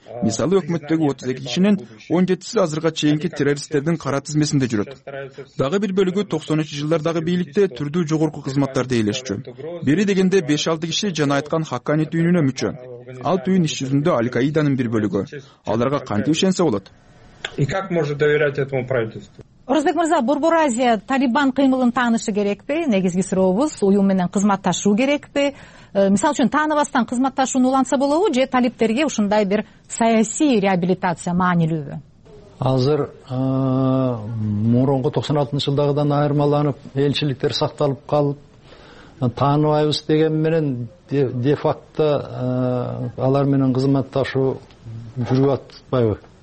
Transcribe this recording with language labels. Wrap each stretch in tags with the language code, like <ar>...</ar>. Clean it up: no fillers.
<ky>Мисалы, өкмөттөгү 32 кишинин 17 азыркы чейинки террористтердин кара тизмесинде жүрөт. Дагы бир бөлүгү 93 жылдардагы бийликте түрдүү жогорку кызматтарды ээлешчү. Бири дегенде 5-6 киши жана айткан Хаккани түйүнүнө мүчө. Ал түйүн иш жүзүндө Аль-Каиданын бир бөлүгү. Аларга кантип ишенсе болот?</ky> <ru>И как может доверять этому правительству?</ru> <ky>Орозбек Мырза, Борбор Азия Талибан кыймылын таанышы керекпи? Негизги сурообуз уюм менен кызматташуу керекпи? Мисалы үчүн тааныбастан кызматташууну уланса болобу же талиптерге ушундай бир саясий реабилитация маанилүүбү? Азыр мурунку 96 жылдагыдан айырмаланып, элчиликтер сакталып калып, тааныбайбыз деген менен де-факто алар менен кызматташуу жүрүп атпайбы?</ky>